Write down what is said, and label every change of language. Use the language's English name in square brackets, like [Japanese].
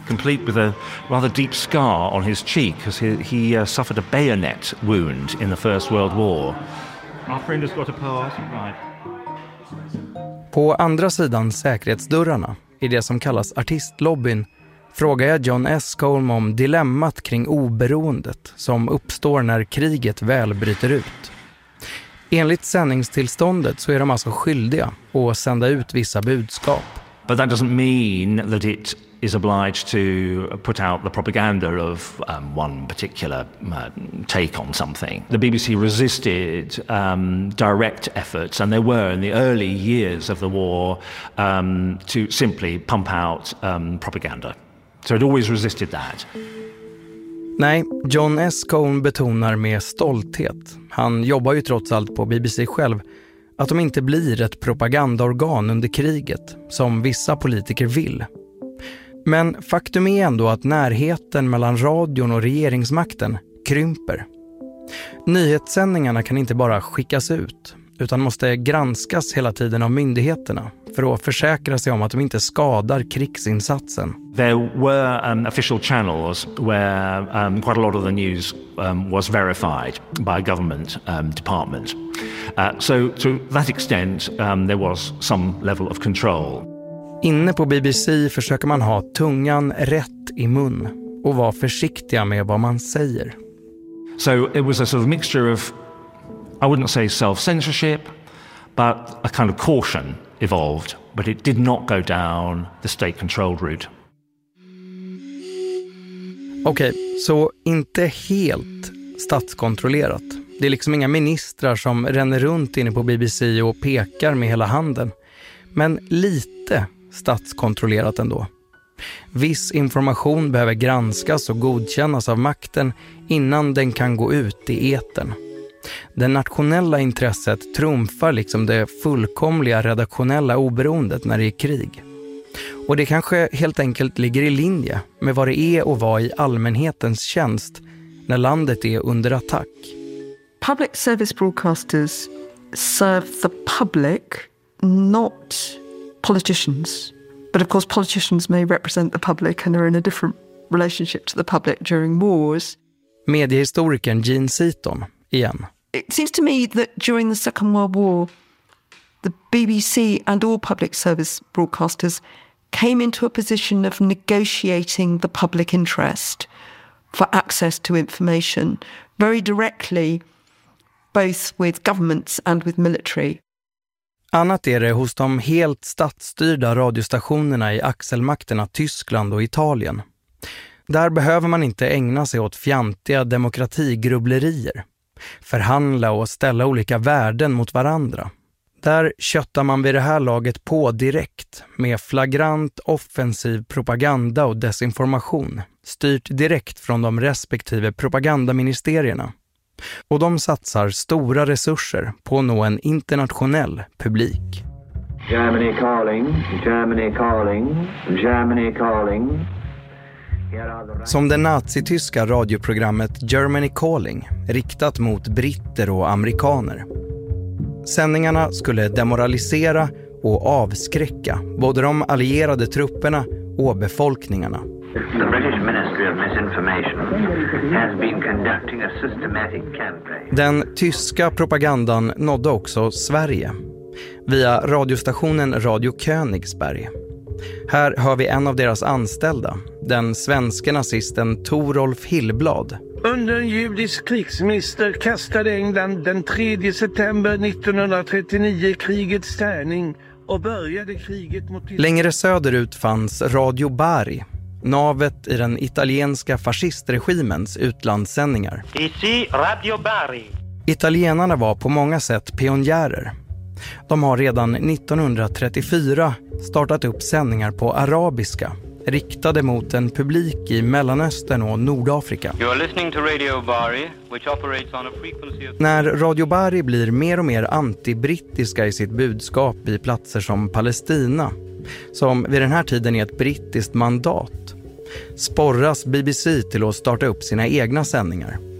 [English] Complete with a rather deep scar on his cheek as he suffered a bayonet wound in the First World War. Our friend has got a pass. Right. [Swedish] På andra sidan säkerhetsdörrarna, i det som kallas artistlobbyn, frågar jag John Escombe om dilemmat kring oberoendet som uppstår när kriget väl bryter ut. Enligt sändningstillståndet så är de alltså skyldiga att sända ut vissa budskap. [English] But that doesn't mean that it is obliged to put out the propaganda of one particular take on something. The BBC resisted direct efforts, and there were in the early years of the war, to simply pump out propaganda. So it always resisted that. [Swedish] Nej, John S. Cohn betonar med stolthet. Han jobbar ju trots allt på BBC själv. Att de inte blir ett propagandaorgan under kriget, som vissa politiker vill. Men faktum är ändå att närheten mellan radion och regeringsmakten krymper. Nyhetssändningarna kan inte bara skickas ut, utan måste granskas hela tiden av myndigheterna för att försäkra sig om att de inte skadar krigsinsatsen. [English] There were official channels where quite a lot of the news was verified by government departments. So to that extent there was some level of control. [Swedish] Inne på BBC försöker man ha tungan rätt i mun och vara försiktiga med vad man säger. [English] So it was a sort of mixture of, I wouldn't say self-censorship, but a kind of caution evolved, but it did not go down the state-controlled route. [Swedish] Okej, okay, så inte helt statskontrollerat. Det är liksom inga ministrar som ränner runt inne på BBC och pekar med hela handen. Men lite statskontrollerat ändå. Viss information behöver granskas och godkännas av makten innan den kan gå ut i etern. Det nationella intresset trumfar liksom det fullkomliga redaktionella oberoendet när det är krig. Och det kanske helt enkelt ligger i linje med vad det är att vara i allmänhetens tjänst när landet är under attack. [English] Public service broadcasters serve the public, not politicians. But of course politicians may represent the public and are in a different relationship to the public during wars. [Swedish] Mediehistorikern Jean Seaton igen. [English] It seems to me that during the Second World War, the BBC and all public service broadcasters came into a position of negotiating the public interest for access to information very directly, both with governments and with military. [Swedish] Annat är det hos de helt statsstyrda radiostationerna i axelmakterna Tyskland och Italien. Där behöver man inte ägna sig åt fjantiga demokratigrubblerier. Förhandla och ställa olika värden mot varandra. Där köttar man vid det här laget på direkt med flagrant offensiv propaganda och desinformation styrt direkt från de respektive propagandaministerierna. Och de satsar stora resurser på att nå en internationell publik. [English] Germany calling, Germany calling, Germany calling. [Swedish] Som det nazityska radioprogrammet Germany Calling, riktat mot britter och amerikaner. Sändningarna skulle demoralisera och avskräcka både de allierade trupperna och befolkningarna. The British Ministry of Misinformation has been conducting a systematic campaign. Den tyska propagandan nådde också Sverige via radiostationen Radio Königsberg. Här hör vi en av deras anställda, den svenska nazisten Torolf Hillblad. Under en judisk krigsminister kastade England den 3 september 1939 krigets tärning och började kriget mot... Längre söderut fanns Radio Bari, navet i den italienska fascistregimens utlandssändningar. [French] Ici Radio Bari. [Swedish] Italienarna var på många sätt pionjärer. De har redan 1934 startat upp sändningar på arabiska, riktade mot en publik i Mellanöstern och Nordafrika. [English] You are listening to Radio Bari, which operates on a frequency of... [Swedish] När Radio Bari blir mer och mer antibrittiska i sitt budskap i platser som Palestina, som vid den här tiden är ett brittiskt mandat, sporras BBC till att starta upp sina egna sändningar.